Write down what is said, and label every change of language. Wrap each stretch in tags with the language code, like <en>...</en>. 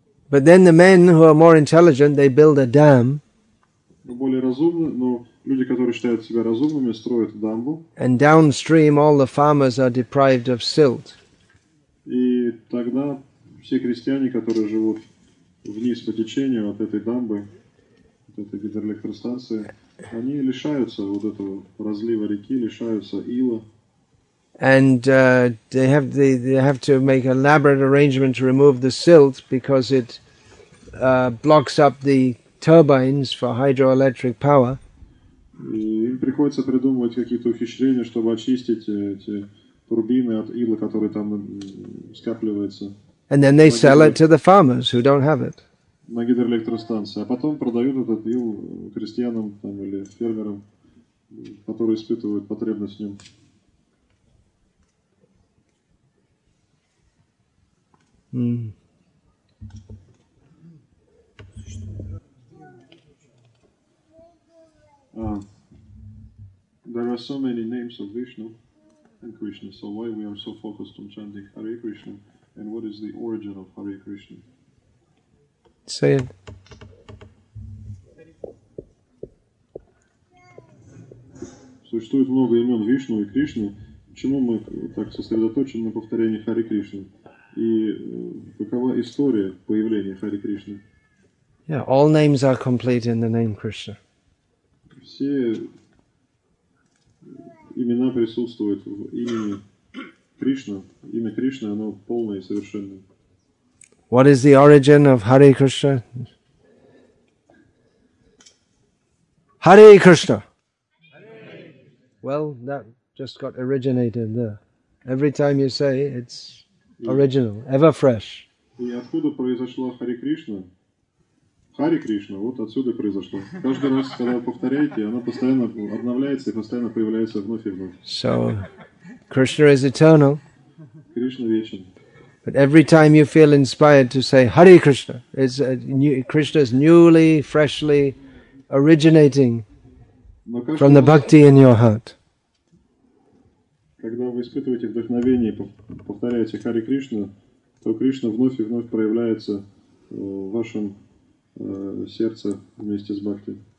<en>But then the men who are more intelligent, they build a dam.</en> <ru>Более разумны, но люди, которые считают себя разумными, строят дамбу.</ru> <en>And downstream all the farmers are deprived of silt.</en> <ru>И тогда все крестьяне, которые живут вниз по течению от этой дамбы, от этой гидроэлектростанции, они лишаются вот этого разлива реки, лишаются ила.</ru> <en>And they have to make an elaborate arrangement to remove the silt because it blocks up the turbines for hydroelectric power.</en> <ru>Им приходится придумывать какие-то ухищрения, чтобы очистить эти турбины от ила, который там скапливается.</ru> <en>And then they sell it to the farmers who don't have it.</en> <ru>На гидроэлектростанции, а потом продают этот ил крестьянам там или фермерам, которые испытывают потребность в нем.</ru> <en>There are so many names of Vishnu and Krishna, so why we are so focused on chanting Hare Krishna, and what is the origin of Hare Krishna? Say it.</en> <ru>Существует много имен Вишну и Кришны. Почему мы так сосредоточены на повторении Hare Krishna? И какова история появления Hare Krishna?</ru> <en>Yeah, all names are complete in the name Krishna.</en> <ru>Все имена присутствуют в имени Кришна. Имя Кришна, оно полное и совершенное.</ru> <en>What is the origin of Hare Krishna? Hare Krishna! Well, that just got originated there. Every time you say it's original, ever fresh.</en> <ru>И откуда произошла Hare Krishna? Hare Krishna, вот отсюда произошло. Каждый раз, когда вы повторяете, она постоянно обновляется и постоянно появляется вновь и вновь.</ru> <en>So, Krishna is eternal.</en> <ru>Krishna вечен.</ru> <en>But every time you feel inspired to say Hare Krishna, it's a new, Krishna's newly, freshly originating from the bhakti in your heart.</en> <ru>Когда вы испытываете вдохновение, повторяете Hare Krishna, то Кришна вновь и вновь проявляется в вашем сердце вместе с бхакти.</ru>